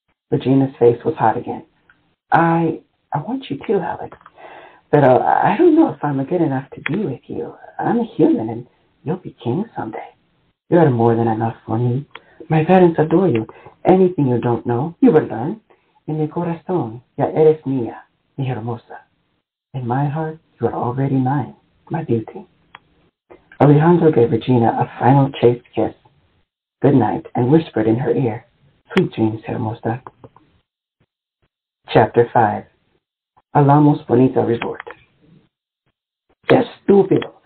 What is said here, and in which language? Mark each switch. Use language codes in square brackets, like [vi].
[en] Regina's face was hot again. I want you too, Alex. But I don't know if I'm good enough to be with you. I'm a human, and you'll be king someday. You are more than enough for me. My parents adore you. Anything you don't know, you will learn. [es] In mi corazón, ya eres mía. Mi hermosa, [en] in my heart, you are already mine, my beauty. Alejandro gave Regina a final chaste kiss, good night, and whispered in her ear, sweet dreams, hermosa. Chapter 5. Alamos Bonita Resort. That's stupid.